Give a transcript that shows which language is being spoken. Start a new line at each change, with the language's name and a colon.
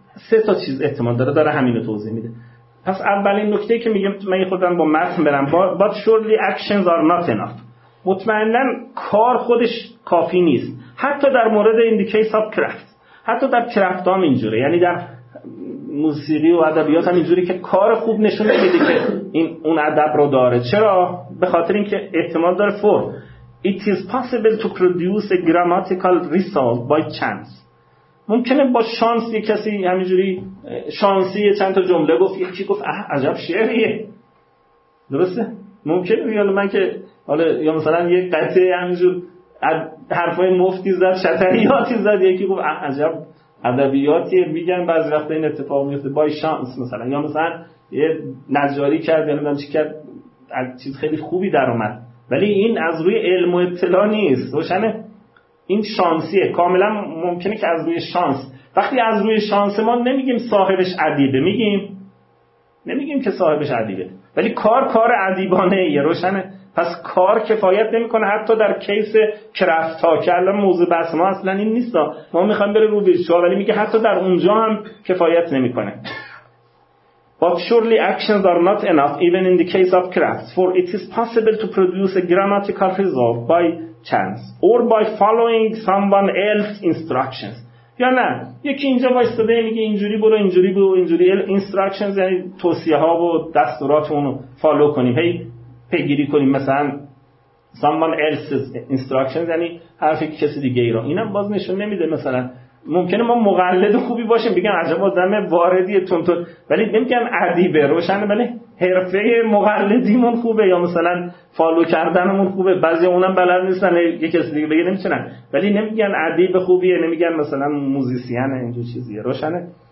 Persian: سه تا چیز احتمال داره، داره همینو توضیح میده. پس اولین نکته که میگم، من خودم با متن برم،
English: but surely actions are not enough.
Persian: مطمئنن کار خودش کافی نیست، حتی در مورد این case of craft، حتی در craft هم اینجوره، یعنی در موسیقی و ادبیات هم اینجوری که کار خوب نشون نمیده که این اون ادب رو داره. چرا؟ به خاطر اینکه احتمال داره
English: for it is possible to produce a grammatical result by chance.
Persian: ممکنه با شانس یه کسی همینجوری شانسی چند تا جمله گفت، یکی گفت اه عجب شعریه، درسته؟ ممکنه بیال من که حالا، یا مثلا یک قطعه همینجور حرفای مفتی زد، شطریاتی زد، یکی گفت اه عجب ادبیاتی، میگن بعضی وقت این اتفاق میفته با شانس مثلا، یا مثلا یه نجاری کرد، یعنی من چی کرد از چیز خیلی خوبی در اومد، ولی این از روی علم و اطلاع نیست. روشنه؟ این شانسیه، کاملا ممکنه که از روی شانس. وقتی از روی شانس، ما نمیگیم صاحبش ادیبه، میگیم، نمیگیم که صاحبش ادیبه، ولی کار کار ادیبانه ایه. روشنه؟ پس کار کفایت نمیکنه، حتی در کیس کرافت ها که الان موضوع بحث ما اصلا این نیست، ما میخوایم بره رو ویرچو، ولی میگه حتی در اونجا هم کفایت نمیکنه.
English: But surely actions are not enough even in the case of crafts, for it is possible to produce a grammatical result by chance or by following someone else's instructions.
Persian: یا نه، یکی اینجا وایستاده میگه اینجوری برو، اینجوری برو، اینجوری، instructions یعنی توصیه ها و دستورات اونو فالو کنیم، هی پیگیری کنیم، مثلا
English: someone else's instructions،
Persian: یعنی حرفی که کسی دیگه ای رو، اینم باز نشون نمیده. مثلا ممکنه ما مقلد خوبی باشیم، بگم عجب آدم واردیه تونتون، ولی نمیگم ادیبه روشنه، ولی حرفه مقلدیمون خوبه یا مثلا فالو کردنمون خوبه، بعضی اونم بلد نیستن، یک کسی دیگه بگه نمیتونن، ولی نمیگن ادیب خوبیه، نمیگن مثلا موزیسیانه، اینجور چیزیه، روشنه.